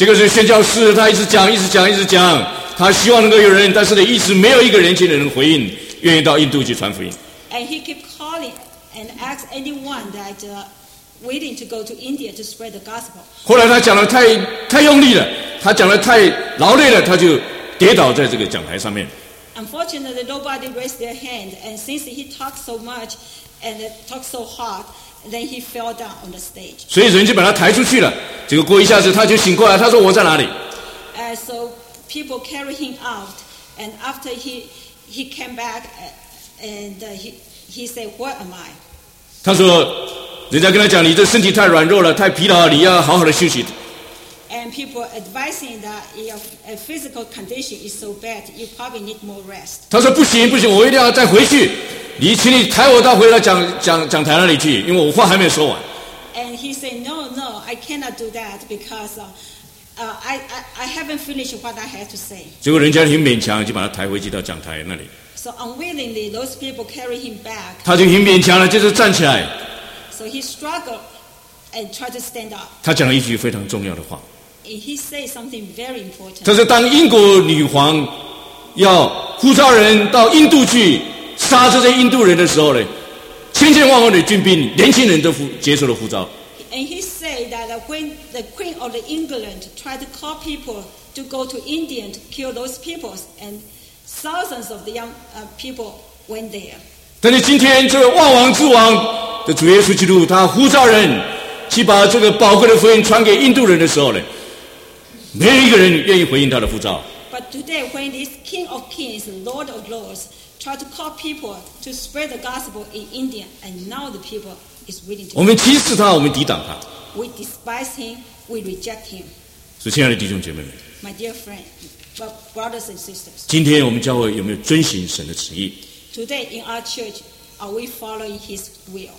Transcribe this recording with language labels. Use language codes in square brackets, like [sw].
[zh] 这个是宣教士，他一直讲，一直讲，一直讲，他希望能够有人，但是呢，一直没有一个年轻人能回应，愿意到印度去传福音。 [en] And he kept calling and asked anyone that willing to go to India to spread the gospel. [zh] 后来他讲了太用力了，他讲了太劳累了，他就跌倒在这个讲台上面。 [en] Unfortunately, nobody raised their hand, and since he talked so much and talked so hard. Then he fell down on the stage. [zh] 所以人就把他抬出去了。结果过一下子，他就醒过来。他说：“我在哪里？” [en] So people carry him out, and after he came back, and he said, "Where am I?" [zh] 他说：“人家跟他讲，你这身体太软弱了，太疲劳了，你要好好的休息。” [en] And people advising that your physical condition is so bad, you probably need more rest. [zh] 他说：“不行，不行，我一定要再回去。” 你请你抬我到回来讲台那里去，因为我话还没有说完。 [en] And he said, "No, no, I cannot do that because, I haven't finished what I had to say." [zh] 结果人家很勉强就把他抬回去到讲台那里。 [en] So unwillingly, those people carry him back. [zh] 他就很勉强了，就是站起来。 [en] So he struggled and tried to stand up. [zh] 他讲了一句非常重要的话。 [en] And he said something very important. [zh] 他说，当英国女皇要呼召人到印度去。杀这些印度人的时候呢，千千万万的军兵、年轻人都接受了呼召。 [en] And he said that when the Queen of England tried to call people to go to India to kill those peoples, and thousands of the young people went there. [zh] 但是今天这个万王之王的主耶稣基督，他呼召人去把这个宝贵的福音传给印度人的时候呢，没有一个人愿意回应他的呼召。 [en] But today, when this King of Kings, Lord of Lords,Try to call people to spread the gospel in India, and now the people is willing to. [zh] 我们歧视他，我们抵挡他。 [en] We despise him, we reject him. [zh] 所以，亲爱的弟兄姐妹们 [en] ，My dear friend, brothers and sisters. [zh] 今天我们教会有没有遵循神的旨意 [en] ？Today in our church, are we following His will?